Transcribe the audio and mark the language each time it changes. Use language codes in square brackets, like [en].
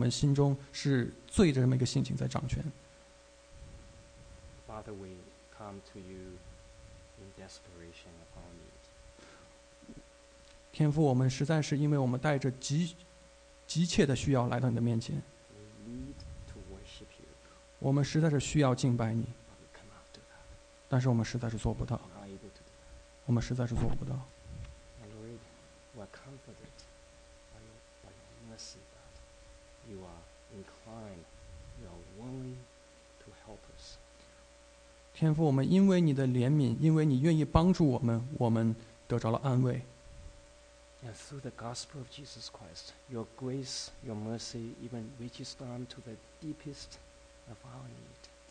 [zh] 我们可以想办法可以改掉这么一个罪，但是另外一个罪又会，我们又会发现我们有另外一个罪，这实在是因为在我们心中是罪的这么一个性情在掌权。 [en] Father, we come to you in desperation of our need. [zh] 天父，我们实在是因为我们带着急切的需要来到你的面前。 [en] We need to worship you. [zh] 我们实在是需要敬拜你。 [en] We cannot do that. [zh] 但是我们实在是做不到。 [en] We are not able to do that. [zh] 我们实在是做不到。 [en] My Lord, we are comforted by your mercy that you are inclined, you are willing to help us. [zh] 天父，我们因为你的怜悯，因为你愿意帮助我们，我们得着了安慰。 [en] And through the gospel of Jesus Christ, your grace, your mercy, even reaches down to the deepest of our need.